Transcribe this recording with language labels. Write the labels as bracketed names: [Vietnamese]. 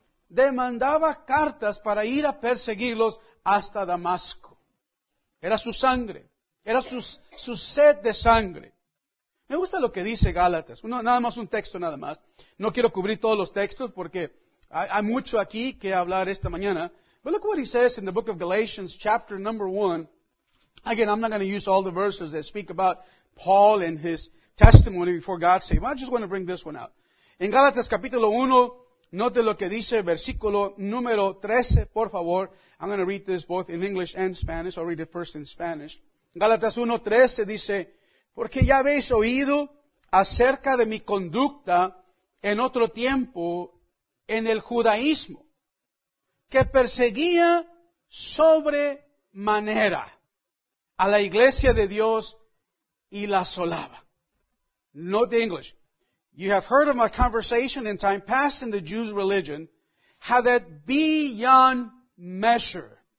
[Spanish] Demandaba cartas para ir a perseguirlos hasta Damasco. Era su sangre. Era su sed de sangre. Me gusta lo que dice Gálatas. Nada más un texto. No quiero cubrir todos los textos porque hay mucho aquí que hablar esta mañana. [English] But look what he says in the book of Galatians, chapter number 1. Again, I'm not going to use all the verses that speak about Paul and his testimony before God's sake. I just want to bring this one out. [Spanish] En Gálatas capítulo 1, note lo que dice versículo número 13, por favor. [English] I'm going to read this both in English and Spanish. I'll read it first in Spanish. [Spanish] Gálatas 1, 13 dice, porque ya habéis oído acerca de mi conducta en otro tiempo en el judaísmo, que perseguía sobremanera a la iglesia de Dios y la asolaba. [English] Note the English. You have heard of my conversation in time past in the Jews' religion, how that beyond measure.